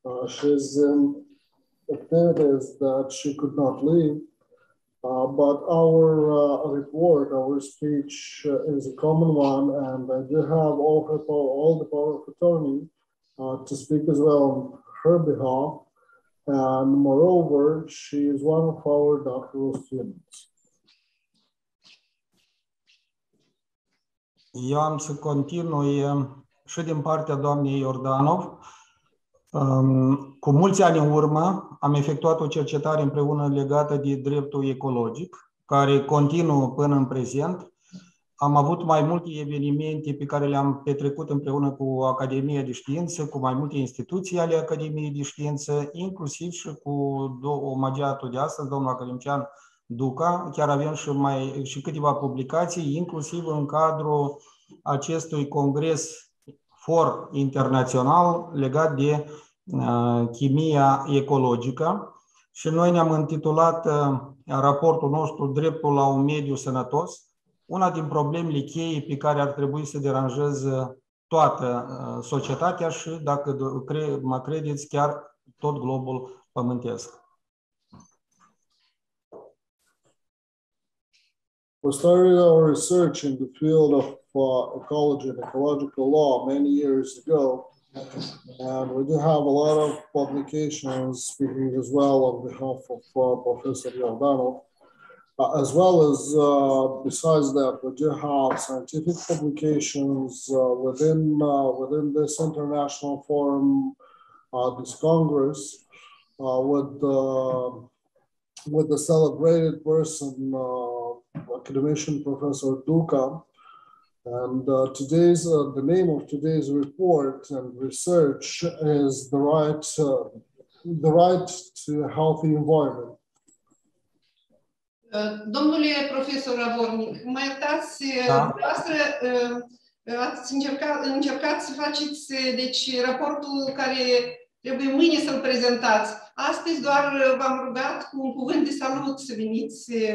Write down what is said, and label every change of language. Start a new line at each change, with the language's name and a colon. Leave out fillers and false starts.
English: She's in activities that she could not leave, but our report, our speech is a common one, and I do have all the power of attorney to speak as well on her behalf. And moreover, she is one of our doctoral students.
Romanian: Eu am să continui și din partea doamnei Yordanov. Cu mulți ani în urmă am efectuat o cercetare împreună legată de dreptul ecologic, care continuă până în prezent. Am avut mai multe evenimente pe care le-am petrecut împreună cu Academia de Știință, cu mai multe instituții ale Academiei de Știință, inclusiv și cu omagiatul de astăzi, domnul academician Duca. Chiar avem și, și câteva publicații, inclusiv în cadrul acestui congres for internațional legat de chimia ecologică. Și noi ne-am intitulat raportul nostru Dreptul la un mediu sănătos. Una din problemele cheie pe care ar trebui să deranjeze toată societatea și, dacă mă credeți, chiar tot globul pământesc.
English: We started our research in the field of ecology and ecological law many years ago, and we do have a lot of publications speaking as well on behalf of Professor Yordanov. As well as, besides that, we do have scientific publications within this international forum, this Congress, with the celebrated person, academician Professor Duca. And the name of today's report and research is the right to a healthy environment.
Romanian: Domnule profesor Avornic, mă iertați, dumneavoastră ați încercat să faceți deci, raportul care trebuie mâine să-l prezentați. Astăzi doar v-am rugat cu un cuvânt de salut să veniți.